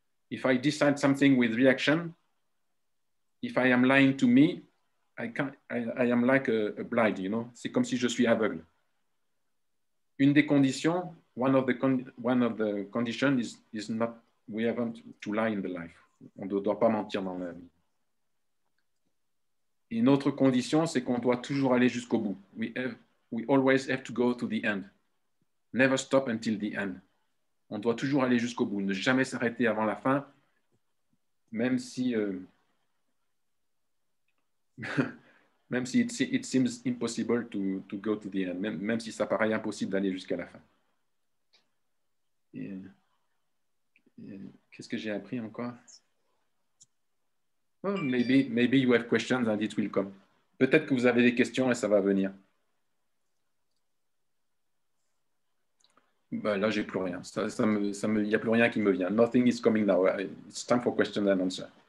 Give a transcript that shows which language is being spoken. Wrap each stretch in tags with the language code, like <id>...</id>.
<en>If I decide something with reaction, if I am lying to me, I am like a blind, you know?</en> <fr>C'est comme si je suis aveugle. Une des conditions,</fr> <en>one of the conditions is not, we haven't to lie in the life.</en> <fr>On ne doit pas mentir dans la vie. Une autre condition, c'est qu'on doit toujours aller jusqu'au bout.</fr> <en>We always have to go to the end. Never stop until the end.</en> <fr>On doit toujours aller jusqu'au bout, ne jamais s'arrêter avant la fin, même si... même si</fr> <en>it seems impossible to go to the end,</en> <fr>même si ça paraît impossible d'aller jusqu'à la fin. Qu'est-ce que j'ai appris encore?</fr> <en>Oh, maybe you have questions and it will come.</en> <fr>Peut-être que vous avez des questions et ça va venir. Ben là, j'ai plus rien. Il n'y a plus rien qui me vient.</fr> <en>Nothing is coming now. It's time for questions and answers.</en>